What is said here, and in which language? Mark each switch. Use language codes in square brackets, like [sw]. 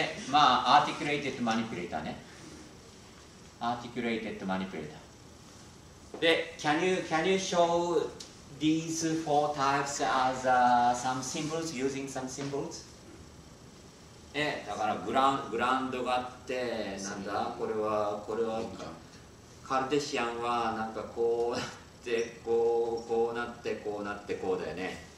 [ja] まあ、アーティキュレイテッドマニピュレーターね。アーティキュレイテッドマニピュレーター。で、 [en] can you show these four types as some symbols, using some symbols? [ja] だからグランドがあって、なんだ、これは、カルテシアンはなんかこうなって、こうなって、こうなって、こうだよね。